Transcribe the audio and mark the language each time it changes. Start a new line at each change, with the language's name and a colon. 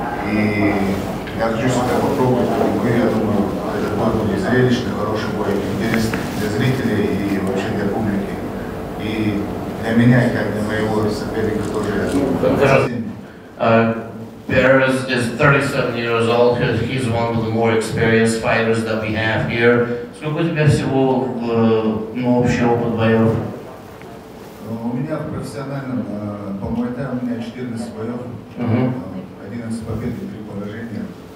Russian: И я хочу себя попробовать, как бы, я думаю, этот бой будет зрелищный, хороший бой, интересный для зрителей и вообще для публики. И для меня, как для моего соперника тоже, я думаю.
English: Perez is 37 years old. He's one of the more experienced fighters that we have here. So, what do you have to do in
Russian: общий опыт боев? У меня в профессиональном по Муай Тай у меня 14 боев, 11 побед и 3 поражения.